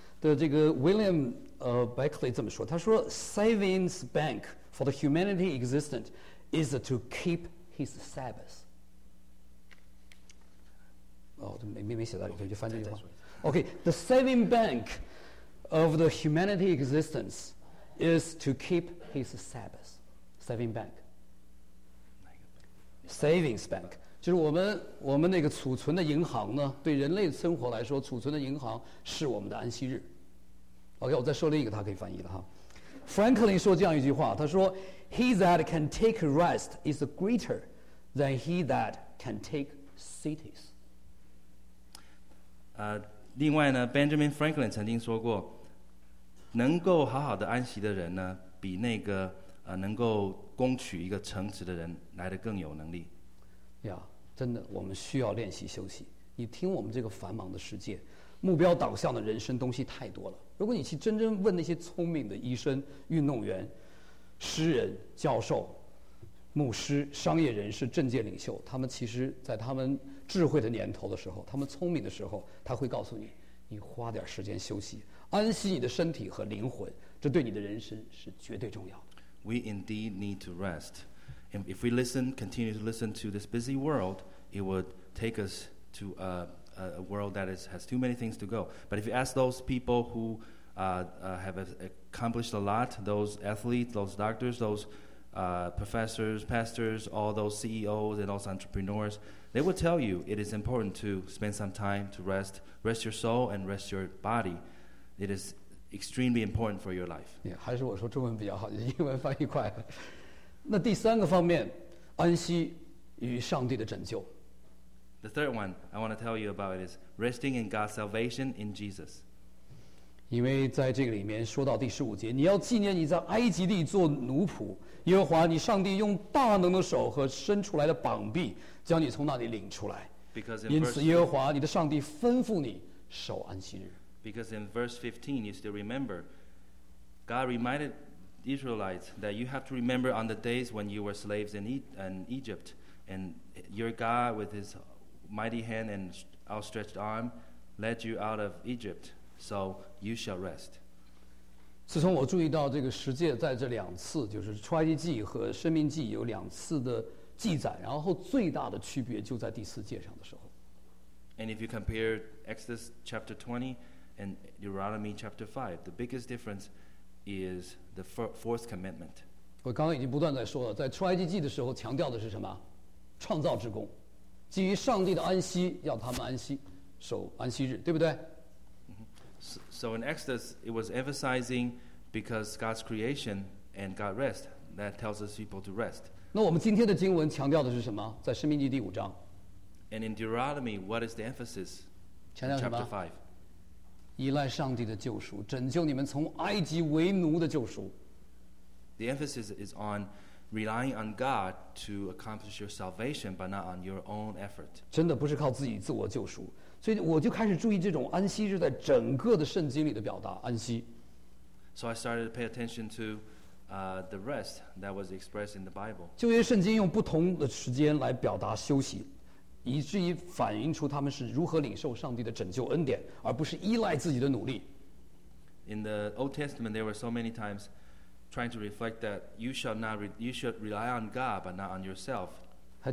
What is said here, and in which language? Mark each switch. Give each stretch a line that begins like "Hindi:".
Chinese: 的这个
English: William Beckley
Chinese: 这么说，他说
English: ：“Savings bank for the humanity existent is to keep his Sabbath。”
Chinese: 哦，这没写到，我可以就翻这句话。OK，
English: the saving bank of the humanity existence is to keep his Sabbath, saving bank.
Chinese: Savings bank 就是我们那个储存的银行呢，对人类生活来说，储存的银行是我们的安息日。 OK， 我再说另一个，他可以翻译的哈。
English: Franklin
Chinese: 说这样一句话，他说
English: ：“He that can take rest is greater than he that can take cities。”
Chinese: 另外呢 ，Benjamin Franklin 曾经说过，能够好好的安息的人呢，比那个能够攻取一个城池的人来得更有能力。呀，真的，我们需要练习休息。你听，我们这个繁忙的世界，目标导向的人生东西太多了。如果你去真正问那些聪明的医生、运动员、诗人、教授、牧师、商业人士、政界领袖，他们其实在他们智慧的年头的时候，他们聪明的时候，他会告诉你，你花点时间休息，安息你的身体和灵魂，这对你的人生是绝对重要的。
English: We indeed need to rest. If we listen, continue to listen to this busy world, it would take us to a world that has too many things to go. But if you ask those people who have accomplished a lot, those athletes, those doctors, those professors, pastors, all those CEOs and those entrepreneurs, they would tell you it is important to spend some time to rest your soul and rest your body. It is extremely important for your life.
Chinese: Yeah, 还是我说中文比较好，英文翻译快。那第三个方面，安息与上帝的拯救。
English: The third one I want to tell you about is resting in God's salvation in Jesus.
Chinese: 因为在这个里面说到第十五节，你要纪念你在埃及地做奴仆，耶和华你上帝用大能的手和伸出来的膀臂将你从那里领出来。因此，耶和华你的上帝吩咐你守安息日。
English: Because in verse 15, you still remember, God reminded Israelites that you have to remember on the days when you were slaves in Egypt, and your God with his mighty hand and outstretched arm led you out of Egypt, so you shall rest.
Chinese: 自从我注意到这个十诫在这两次，就是出埃及记和申命记有两次的记载，然后最大的区别就在第四诫上的时候。
English: And if you compare Exodus chapter 20 and Deuteronomy chapter 5, the biggest difference is the fourth commandment.
Chinese: 我刚刚已经不断在说了，在出埃及记的时候强调的是什么？创造之功。基于上帝的安息，要他们安息，守安息日，对不对
English: ？So in Exodus, it was emphasizing because God's creation and God rest that tells us people to rest.
Chinese: 那我们今天的经文强调的是什么？在申命记第五章。
English: And in Deuteronomy, what is the emphasis? Chapter 5.
Chinese: 依赖上帝的救赎，拯救你们从埃及为奴的救赎。
English: The emphasis is on relying on God to accomplish your salvation, but not on your own effort.
Chinese: 真的不是靠自己自我救赎，所以我就开始注意这种安息日在整个的圣经里的表达安息。
English: So I started to pay attention to the rest that was expressed in the Bible.
Chinese: 旧约圣经用不同的时间来表达休息，以至于反映出他们是如何领受上帝的拯救恩典，而不是依赖自己的努力。
English: In the Old Testament, there were so many times trying to reflect that you should rely on God but not on yourself to receive the salvation.